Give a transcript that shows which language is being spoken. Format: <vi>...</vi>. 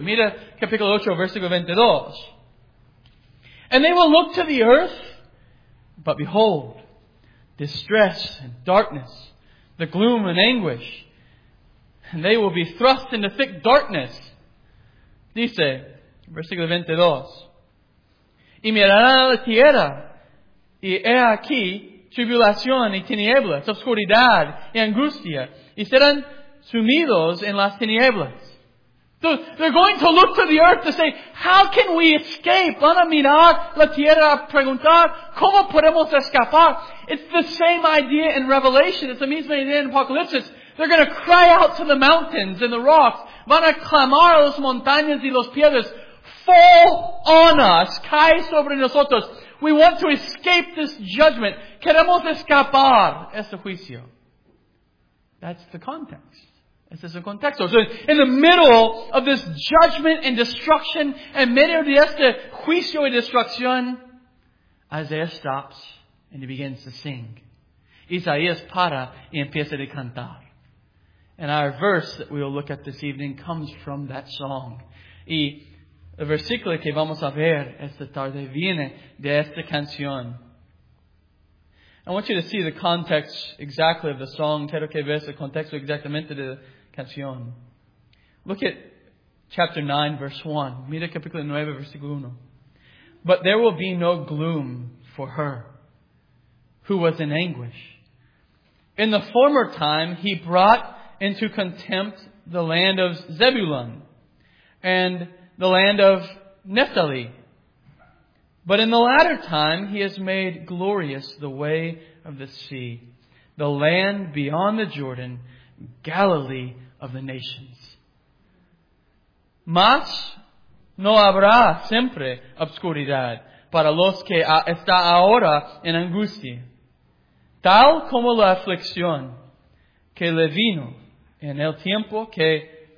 <es>Mira capítulo 8, versículo 22.</es> <en>And they will look to the earth, but behold, distress and darkness, the gloom and anguish, and they will be thrust into thick darkness.</en> <es>Dice, versículo 22. Y mirarán a la tierra, y he aquí tribulación y tinieblas, obscuridad y angustia, y serán sumidos en las tinieblas.</es> <en>So they're going to look to the earth to say, how can we escape?</en> <es>Van a mirar la tierra a preguntar, ¿cómo podemos escapar?</es> <en>It's the same idea in Revelation. It's the misma idea in Apocalypse. They're going to cry out to the mountains and the rocks.</en> <es>Van a clamar a las montañas y las piedras.</es> <en>Fall on us.</en> <es>Cae sobre nosotros.</es> <en>We want to escape this judgment.</en> <es>Queremos escapar ese juicio.</es> <en>That's the context.</en> <es>Ese es el contexto.</es> <en>So in the middle of this judgment and destruction,</en> <es>en medio de este juicio y destrucción,</es> <en>Isaiah stops and he begins to sing.</en> <es>Isaías para y empieza a cantar.</es> <en>And our verse that we'll look at this evening comes from that song.</en> <es>Y el versículo que vamos a ver esta tarde viene de esta canción.</es> <en>I want you to see the context exactly of the song.</en> <es>Quiero que veas el contexto exactamente de la canción.</es> <en>Look at chapter 9, verse 1.</en> <es>Mira capítulo 9, versículo 1.</es> <en>But there will be no gloom for her who was in anguish. In the former time, he brought into contempt the land of Zebulun and the land of Naphtali. But in the latter time, he has made glorious the way of the sea, the land beyond the Jordan, Galilee of the nations.</en> <es>Mas no habrá siempre obscuridad para los que está ahora en angustia, tal como la aflicción que le vino en el tiempo que</es>